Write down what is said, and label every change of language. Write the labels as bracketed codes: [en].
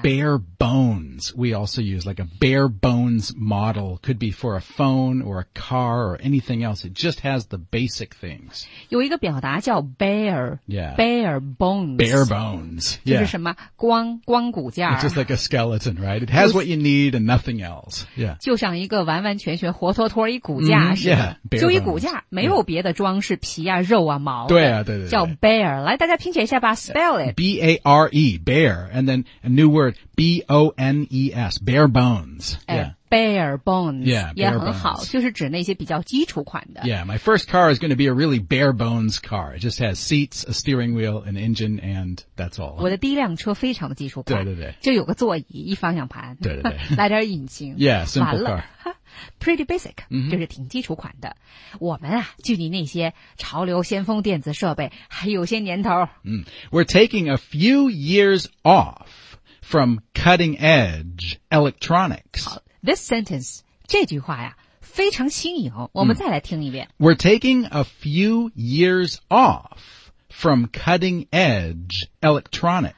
[en] Bare bones, we also use like a bare bones model could be for a phone or a car or anything else It just has the basic things [zh] 有一个表达叫 bare、 [en] yeah. Bare bones Bare bones、yeah. [zh] 就是什么光光骨架 [en] It's just like a skeleton, right? It has what you need and nothing else、yeah. [zh] 就像一个完完全全活脱脱一骨架是的、 [en] mm-hmm, yeah, [zh] 就一骨架没有别的装饰皮啊、 [en] yeah. [zh] 肉啊毛对啊对 对, 对叫 bear 来大家拼写一下吧 [en] spell it B-A-R-E bear and then a new word B-O-N-E-S bare bones、yeah. bare bones yeah, bare [zh] 也很好 [en] bones. [zh] 就是指那些比较基础款的 [en] yeah my first car is going to be a really bare bones car it just has seats a steering wheel an engine and that's all [zh] 我的第一辆车非常的基础款对对对就有个座椅一方向盘对对对来点引擎 [en] yeah simple car Pretty basic, [zh] 就是挺基础款的。 Mm-hmm. 我们啊，距离那些潮流先锋电子设备还有些年头。 [en] We're taking a few years off from cutting edge electronics. This sentence, [zh] 这句话呀，非常新颖。我们再来听一遍。 [en] We're taking a few years off from cutting edge electronics.